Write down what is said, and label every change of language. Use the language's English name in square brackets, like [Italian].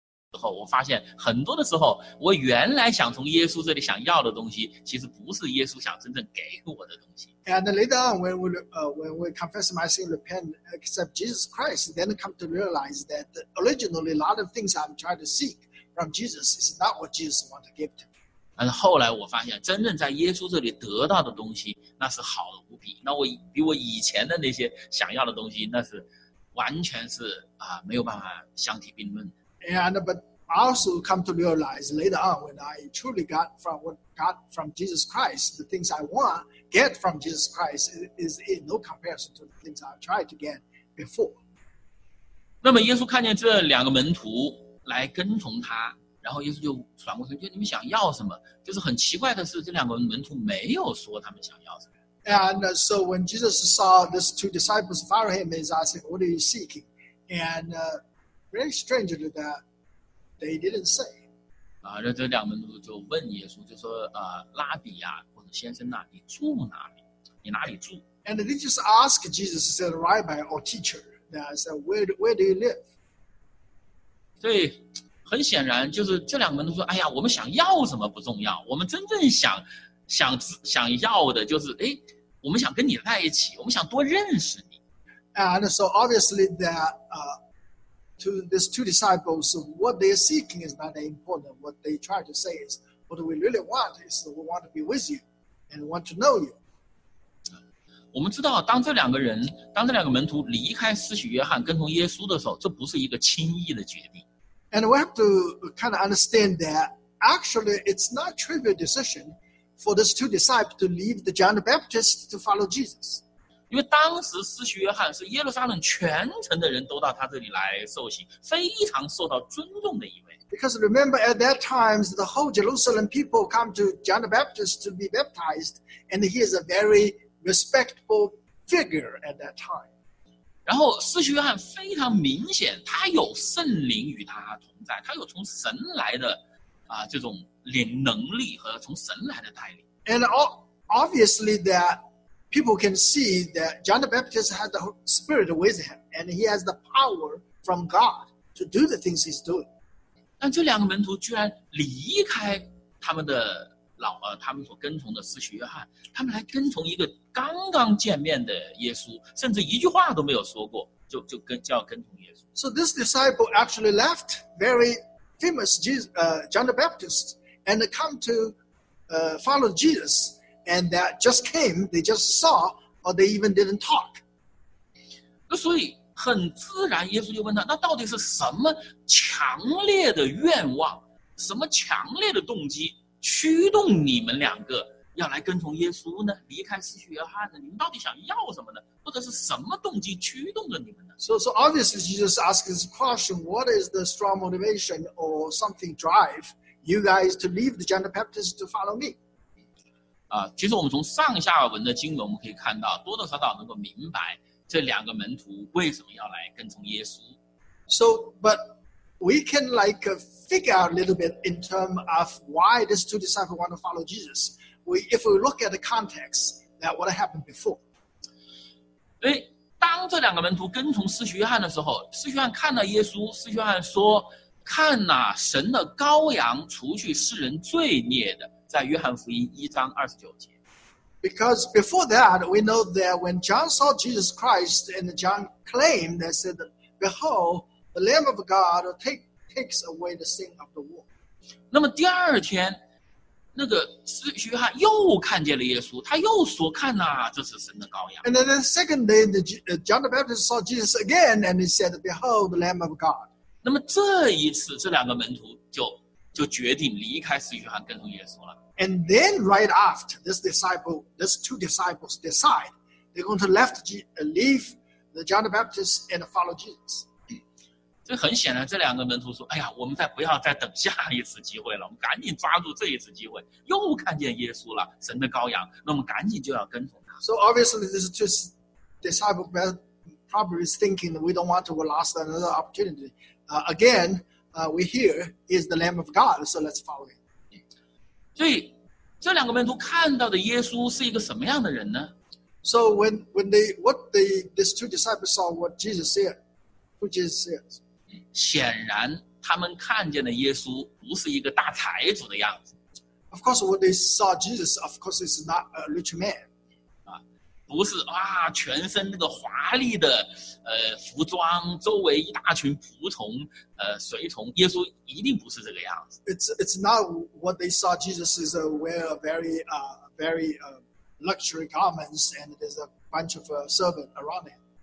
[Chinese] 之后我发现很多的时候，我原来想从耶稣这里想要的东西，其实不是耶稣想真正给我的东西。 [English] And later on, when we confess my sin, repent, accept Jesus Christ, then come to realize that originally a lot of things I'm trying to seek from Jesus is not what Jesus wants to give to me. And [Chinese] 后来我发现，真正在耶稣这里得到的东西，那是好的无比。那我比我以前的那些想要的东西，那是完全是没有办法相提并论。 [English] But I also come to realize later on when I truly got from Jesus Christ, the things I want. Get from Jesus Christ is in no comparison to the things I've tried to get before. [Chinese] 那么耶稣看见这两个门徒来跟从他，然后耶稣就转过身，就你们想要什么？就是很奇怪的是，这两个门徒没有说他们想要什么。 [English] And so when Jesus saw these two disciples follow him, he's asking, "What are you seeking?" And very strangely, that they didn't say. [Chinese] 这两个门徒就问耶稣，就说拉比呀。先生啊，你住哪里？你哪里住 [English] ？And they just ask Jesus, said Rabbi or teacher, that said, where do you live? [Chinese] 对，很显然就是这两个门徒说，哎呀，我们想要什么不重要，我们真正想要的就是，哎，我们想跟你在一起，我们想多认识你。 [English] And so obviously that to these two disciples, what they're seeking is not that important. What they try to say is, what we really want is we want to be with you. And want to know you. [Chinese] 我们知道，当这两个门徒离开失去约翰，跟从耶稣的时候，这不是一个轻易的决定。 [English] And we have to kind of understand that actually it's not a trivial decision for these two disciples to leave the John the Baptist to follow Jesus. [Chinese] 因为当时失去约翰是耶路撒冷全城的人都到他这里来受洗，非常受到尊重的一位。 [English] Because remember, at that time, the whole Jerusalem people come to John the Baptist to be baptized, and he is a very respectable figure at that time. [Chinese] 然后使徒约翰非常明显，他有圣灵与他同在，他有从神来的这种灵能力和从神来的带领。 [English] And obviously that people can see that John the Baptist has the Spirit with him, and he has the power from God to do the things he's doing. [Chinese] 但这两个门徒居然离开他们的老他们所跟从的司徒约翰，他们来跟从一个刚刚见面的耶稣，甚至一句话都没有说过，就要跟从耶稣。 [English] So this disciple actually left very famous John the Baptist and come to follow Jesus. And that just came, they just saw, or they even didn't talk. [Chinese] 那所以很自然，耶稣就问他：“那到底是什么强烈的愿望，什么强烈的动机驱动你们两个要来跟从耶稣呢？离开司徒约翰呢？你们到底想要什么呢？或者是什么动机驱动着你们呢？” [English] So obviously, Jesus asks this question: What is the strong motivation or something drive you guys to leave the John the Baptist to follow me? [Chinese] 其实我们从上下文的经文我们可以看到多多少少能够明白这两个门徒为什么要来跟从耶稣。 [English] So, but we can like figure out a little bit in terms of why these two disciples want to follow Jesus. If we look at the context, that what happened before. [Chinese] 因为当这两个门徒跟从司徒约翰的时候，司徒约翰看到耶稣，司徒约翰说，看哪，神的羔羊，除去世人罪孽的。在约翰福音一章二十九节。 [English] Because before that, we know that when John saw Jesus Christ, and John claimed that said, "Behold, the Lamb of God takes away the sin of the world." [Chinese] 那么第二天，那个约翰又看见了耶稣，他又说：“看哪，这是神的羔羊。 [English] ”And then the second day, John the Baptist saw Jesus again, and he said, "Behold, the Lamb of God." [Chinese] 那么这一次，这两个门徒就决定离开司徒约翰跟从耶稣了。 [English] And then right after these two disciples decide they're going to leave the John the Baptist and follow Jesus. [Chinese] 这很显然，这两个门徒说：“哎呀，我们再不要再等下一次机会了，我们赶紧抓住这一次机会，又看见耶稣了，神的羔羊，那我们赶紧就要跟从他。” [English] So obviously, these two disciples probably is thinking that we don't want to lose another opportunity. Again. We hear is the Lamb of God, so let's follow him. [Chinese] 所以这两个门徒看到的耶稣是一个什么样的人呢？ [English] So when these two disciples saw what Jesus said, who Jesus is? [Chinese] 显然他们看见的耶稣不是一个大财主的样子。 [English] Of course, when they saw Jesus, of course, he's not a rich man. [Chinese] 不是啊，全身那个华丽的服装，周围一大群仆从随从，耶稣一定不是这个样子。 [English] It's not what they saw. Jesus is wear a very very luxury garments, and there's a bunch of servant around him.